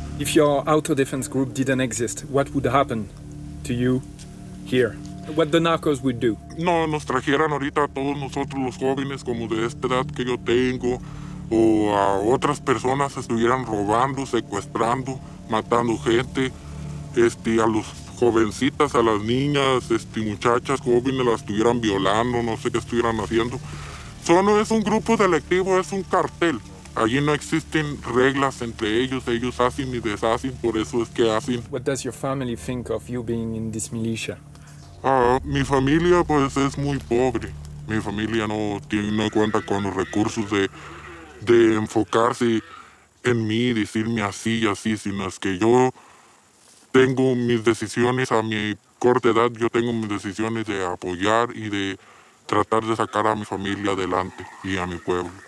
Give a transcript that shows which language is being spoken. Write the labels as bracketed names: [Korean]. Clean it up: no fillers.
[English] If your autodefense group didn't exist, what would happen to you here? What the narcos would do? [Spanish] No, nos trajeran ahorita a todos nosotros los jóvenes como de esta edad que yo tengo, o a otras personas estuvieran robando, secuestrando, matando gente, a los jovencitas, a las niñas, muchachas jóvenes, las estuvieran violando, no sé qué estuvieran haciendo. Solo es un grupo delictivo, es un cartel. Allí no existen reglas entre ellos. Ellos hacen y deshacen, por eso es que hacen. [English] What does your family think of you being in this militia? [Spanish] Mi familia pues es muy pobre. Mi familia no cuenta con los recursos de enfocarse en mí y decirme así y así, sino es que yo tengo mis decisiones a mi corta edad. Yo tengo mis decisiones de apoyar y de tratar de sacar a mi familia adelante y a mi pueblo.